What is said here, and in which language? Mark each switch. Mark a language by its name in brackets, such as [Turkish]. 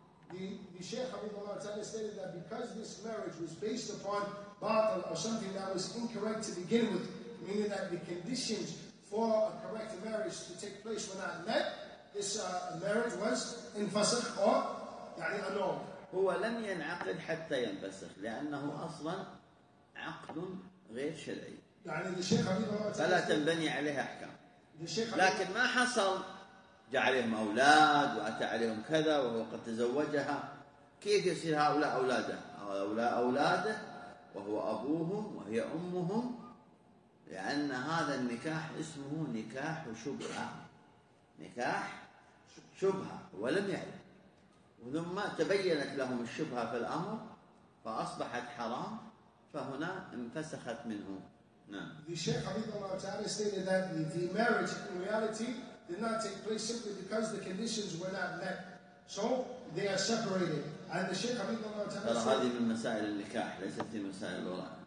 [English] The Shaykh Habib Allah Ta'ala stated that because this marriage was based upon باطل or something that was incorrect to begin with, meaning that the conditions for a correct marriage to take place when I met, this marriage was in fasakh or يعني annulled. [Arabic] هو لم ينعقد حتى ينفسخ لأنه أصلا عقد غير شرعي. يعني الشيخ عبد الله فلا تنبني عليها أحكام. الشيخ لكن ما حصل جاء عليهم أولاد وأتى عليهم كذا وهو قد تزوجها كيف يصير هؤلاء أولاده هؤلاء أولاده وهو أبوهم وهي أمهم لأن هذا النكاح اسمه نكاح شبهة نكاح شبهة ولم يعلم ثم تبينت لهم الشبهة في الأمر فأصبحت حرام فهنا انفسخت منه نعم [English] The Shaykh Habib Allah Ta'ala stated that the marriage in reality did not take place simply because the conditions were not met so they are separated and the Shaykh Habib Allah Ta'ala [Arabic] said هذه من مسائل النكاح ليست في مسائل الورع